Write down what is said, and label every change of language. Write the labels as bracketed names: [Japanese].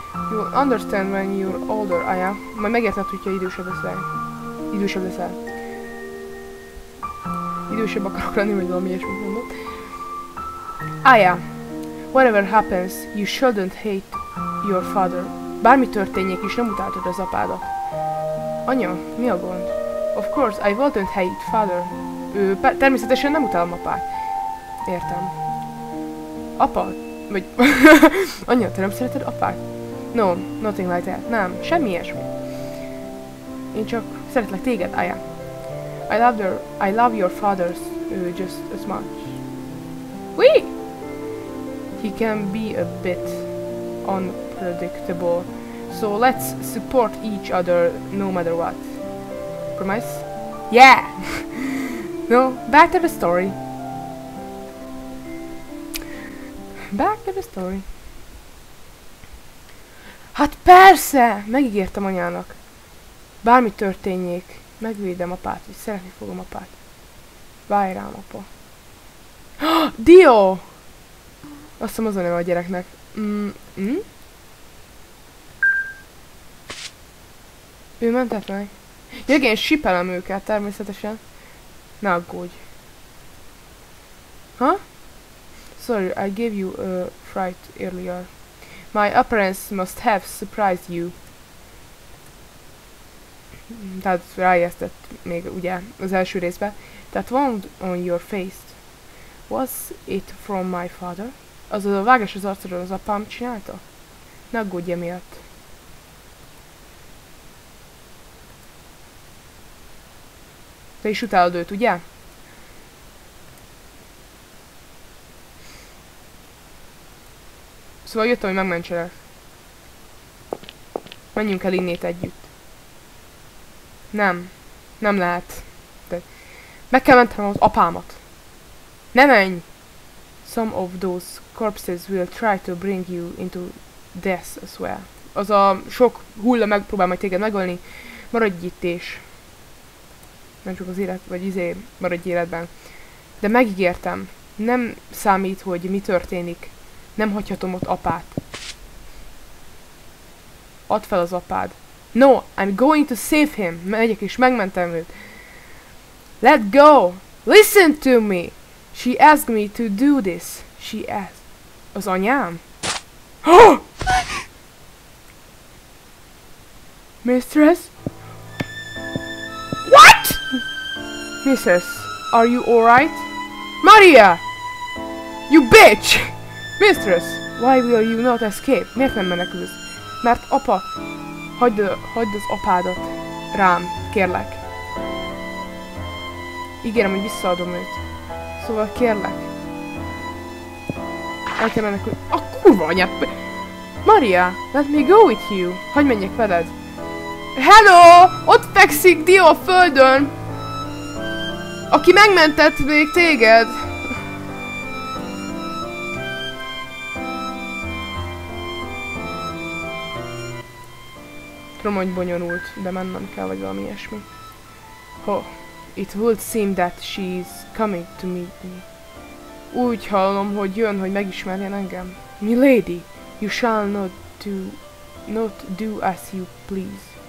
[English] You'll understand when you're older, Aya. [Hungarian] Majd megérted, hogyha idősebb leszel. Idősebb leszel. Idősebb akarok lenni, vagy valami ilyesmit mondott. Aya. [English] Whatever happens, you shouldn't hate your father. [Hungarian] Bármi történjék is, nem utáltad az apádat. Anya, mi a gond? [English] Of course, I wouldn't hate father. [Hungarian] Természetesen nem utálom apát. Értem. Apa? Vagy... Anya, te nem szereted apát? [English] No, nothing like that. [Hungarian] Nem, semmi ilyesmi. Én csak szeretlek téged, Aya. [English] I love your father's just as much. [French] Oui! [English] He can be a bit unpredictable. So let's support each other no matter what. Promise? Yeah! No, back to the story. Back to the story. [Hungarian] Hát persze! Megígértem anyának. Bármi történjék, megvédem apát, és szeretni fogom apát. Várj rám, apa. Dio! Azt hiszem, az a neve a gyereknek. Ő mentett meg. Ja, igen, sipelem őket természetesen. Ne aggódj. Ha? [English] Sorry, I gave you a fright earlier. My appearance must have surprised you. [Hungarian] Tehát rájesztett még ugye az első részbe. [English] That wound on your face. Was it from my father? [Hungarian] Az a vágás az arcodon az apám csinálta? Ne aggódj emiatt. Te is utálod őt, ugye? Szóval jöttem, hogy megmentselek. Menjünk el innét együtt. Nem. Nem lehet. De meg kell mentenem az apámat. Ne menj! [English] Some of those corpses will try to bring you into death as well. [Hungarian] Az a sok hulla megpróbál majd téged megölni. Maradj itt is. Nem csak az élet, vagy izé, maradj életben. De megígértem. Nem számít, hogy mi történik. Nem hagyhatom ott apát. Add fel az apád. [English] No, I'm going to save him. [Hungarian] Megyek és megmentem őt. [English] Let go! Listen to me! She asked me to do this. She asked. [Hungarian] Az anyám? [English] Mistress? What? Mrs. Are you alright? Maria! You bitch! Mistress, why will you not escape? [Hungarian] Miért nem menekülsz? Mert apa, hagyd az apádat rám, kérlek. Ígérem, hogy visszaadom őt. Szóval kérlek. El kell menekülni. A kurva anyát! [English] Maria, let me go with you. [Hungarian] Hogy menjek veled? [English] Hello! [Hungarian] Ott fekszik Dio a földön! Aki megmentett még téged! Tudom, hogy bonyolult, de mennem kell, vagy valami ilyesmi. [English] Oh, it would seem that she's coming to meet me. [Hungarian] Úgy hallom, hogy jön, hogy megismerjen engem. [English] Milady, you shall not do as you please.